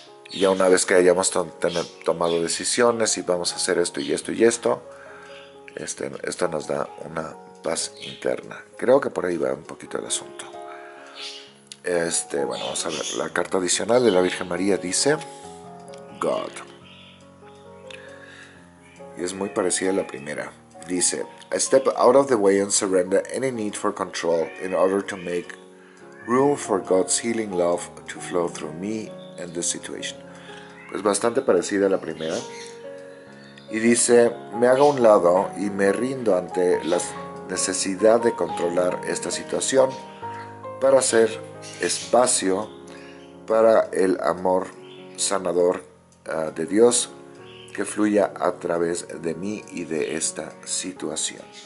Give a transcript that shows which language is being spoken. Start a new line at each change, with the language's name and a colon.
Spanish: Y ya una vez que hayamos tomado decisiones y vamos a hacer esto y esto y esto, esto nos da una paz interna. Creo que por ahí va un poquito el asunto. Bueno, vamos a ver. La carta adicional de la Virgen María dice: God. Y es muy parecida a la primera. Dice,
English: I step out of the way and surrender any need for control in order to make room for God's healing love to flow through me and the situation.
Spanish: Pues bastante parecida a la primera. Y dice, me hago a un lado y me rindo ante la necesidad de controlar esta situación para hacer espacio para el amor sanador de Dios que fluya a través de mí y de esta situación.